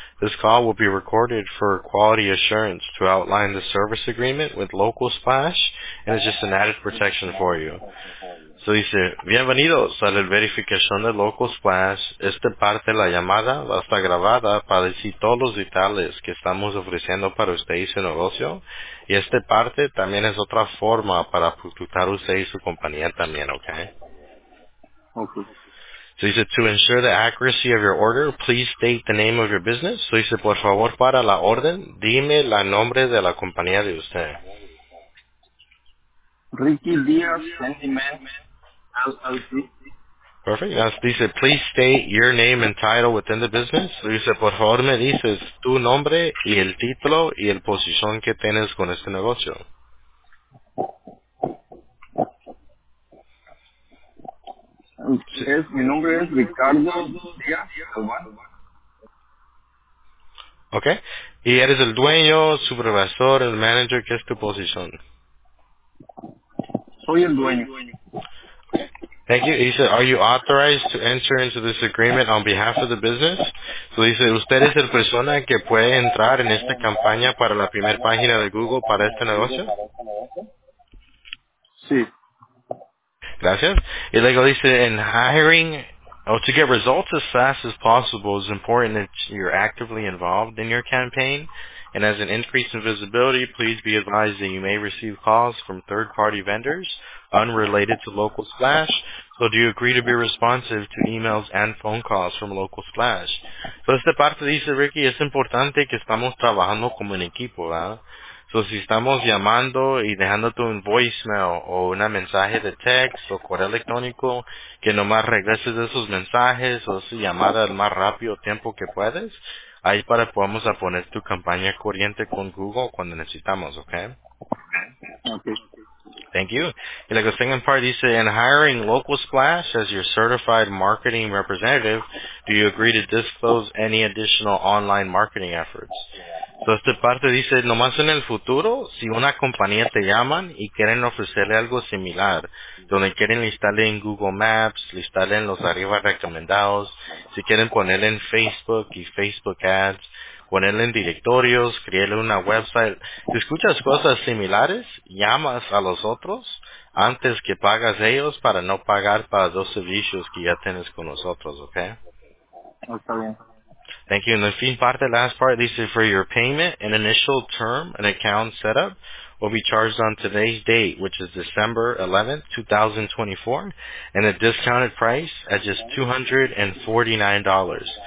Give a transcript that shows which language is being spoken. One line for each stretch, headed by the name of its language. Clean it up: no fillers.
English: This call will be recorded for quality assurance to outline the service agreement with Local Splash, and it's just an added protection for you." So he said,
Spanish: "Bienvenidos a la verificación de Local Splash. Esta parte de la llamada va a estar grabada para decir todos los detalles que estamos ofreciendo para usted y su negocio. Y esta parte también es otra forma para publicitar usted y su compañía también, ¿ok?"
English: So he said, "To ensure the accuracy of your order, please state the name of your business." So he said,
Spanish: "Por favor, para la orden, dime el nombre de la compañía de usted." Ricky Díaz, Sentiment, LLC.
English: Perfect. Now he said, "Please state your name and title within the business." So he said,
Spanish: "Por favor, me dices tu nombre y el título y el posición que tienes con este negocio." Mi nombre es Ricardo Díaz. Okay. ¿Y eres el dueño, supervisor, el manager? ¿Qué es tu posición? Soy el dueño.
English: Thank you. He said, "Are you authorized to enter into this agreement on behalf of the business?" So he said,
Spanish: "Usted es el persona que puede entrar en esta campaña para la primera página de Google para este negocio." Sí. Gracias. Y luego dice,
English: "In hiring, to get results as fast as possible, it's important that you're actively involved in your campaign. And as an increase in visibility, please be advised that you may receive calls from third-party vendors unrelated to Local Splash. So do you agree to be responsive to emails and phone calls from local Splash?
Spanish: Entonces, de parte dice Ricky, es importante que estamos trabajando como un equipo, ¿verdad? So, si estamos llamando y dejándote un voicemail o un mensaje de text o correo electrónico, que nomás regreses esos mensajes o esa llamada el más rápido tiempo que puedes, ahí para que podamos a poner tu campaña corriente con Google cuando necesitamos, ¿ok?
English: Okay. Thank you.
Spanish: Y la cuestión en parte dice,
English: in hiring Local Splash as your certified marketing representative, do you agree to disclose any additional online marketing efforts?
Spanish: Entonces, de parte dice, nomás en el futuro, si una compañía te llaman y quieren ofrecerle algo similar, donde quieren listarle en Google Maps, listarle en los arriba recomendados, si quieren ponerle en Facebook y Facebook Ads, ponerle en directorios, crearle una website, si escuchas cosas similares, llamas a los otros antes que pagas ellos para no pagar para dos servicios que ya tienes con nosotros, ¿ok? Está bien.
English: Thank you. And the fin part, the last part, this is for your payment. An initial term, an account setup, will be charged on today's date, which is December 11th, 2024, and the discounted price at just $249.